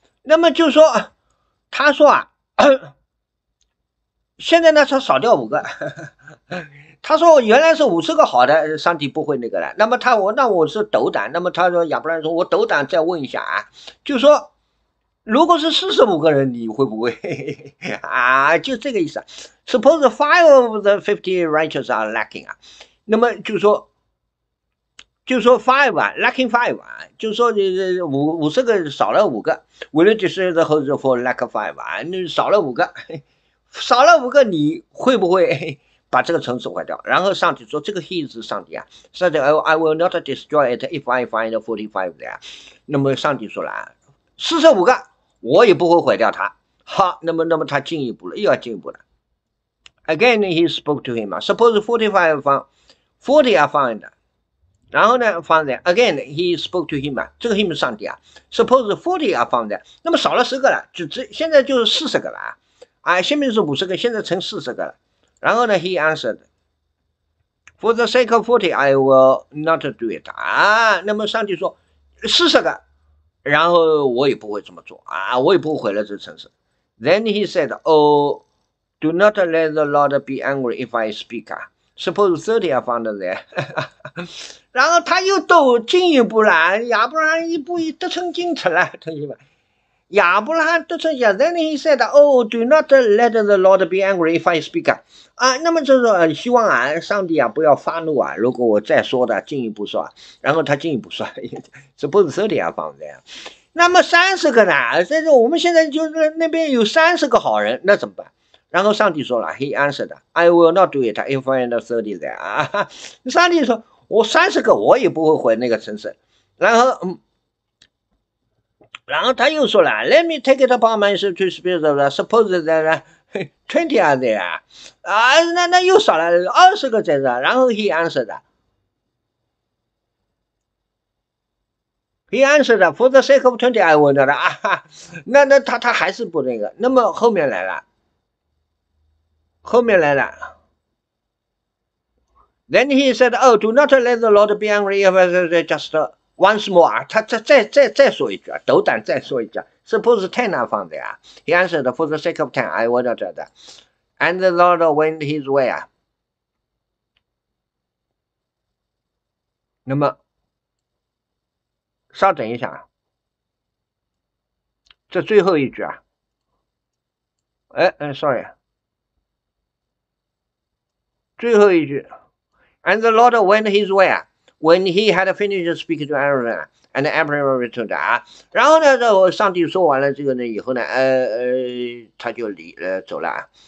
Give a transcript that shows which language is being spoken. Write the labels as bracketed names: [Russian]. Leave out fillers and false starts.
[Chinese] 那么就说，他说啊，现在呢，他少掉五个。他说原来是50个好的，上帝不会那个了。那么他我那我是斗胆。那么他说亚伯兰说，我斗胆再问一下啊，就说。如果是45个人，你会不会 啊？就这个意思啊。 [English] Suppose five of the 50 righteous are lacking 啊， [Chinese] 那么就说 [English] five 啊，lacking five 啊， [Chinese] 就说你50个少了五个， [English] will you destroy the whole for lack of five 啊？ [Chinese] 你少了五个，少了五个，你会不会把这个城市毁掉？然后上帝说，这个 [English] he [Chinese] 是上帝啊，上帝 [English] I will not destroy it if I find 45 there。 [Chinese] 那么上帝说了，45个。我也不会毁掉他。好，那么他进一步了，又要进一步了。 [English] Again, he spoke to him. Suppose 45 are found [Chinese] 然后呢，放在 [English] again he spoke to him [Chinese] 嘛，这个 him 是上帝啊。 suppose 40啊放在，那么少了10个了，就这现在就是40个了啊。啊，前面是50个，现在成40个了。然后呢， [English] he answered, "For the sake of 40, I will not do it." [Chinese] 啊，那么上帝说40个，然后我也不会这么做啊，我也不会毁了这城市。 [English] Then he said, "Oh, do not let the Lord be angry if I speak." [Chinese] 啊。 [English] Suppose 30 are found there， [Chinese] 然后他又都进一步了，亚伯拉罕一步一得寸进尺了，同学们，亚伯拉罕得寸进尺。 [English] Then he said, "Oh, do not let the Lord be angry if I speak." [Chinese] 啊，那么就是希望啊，上帝啊不要发怒啊，如果我再说的进一步说啊，然后他进一步说 ， [English] Suppose 30 are found there， [Chinese] 那么30个呢？这是我们现在就是那边有30个好人，那怎么办？然后上帝说了， [English] He answered, "I will not do it if I find 30 there." [Chinese] 啊，上帝说，我30个我也不会毁那个城市。然后他又说了， [English] Let me take it upon myself to speak of that. Suppose that 20 are there. 啊， [Chinese] 那又少了20个在这。 [English] 然后 He answered, "For the sake of 20, I will not." [Chinese] 啊，那他还是不那个。那么后面来了。后面来了。 [English] Then he said, "Oh, do not let the Lord be angry if I say just once more." [Chinese] 他再说一句啊，斗胆再说一句啊。 [English] Suppose 10 are found there. He answered, "For the sake of 10, I will not do that." And the Lord went his way. [Chinese] 那么，稍等一下啊，这最后一句啊，sorry。最后一句， [English] And the Lord went his way. When he had finished speaking to Aaron, and Aaron returned. [Chinese] 啊，然后呢，上帝说完了这个呢以后呢，他就走了。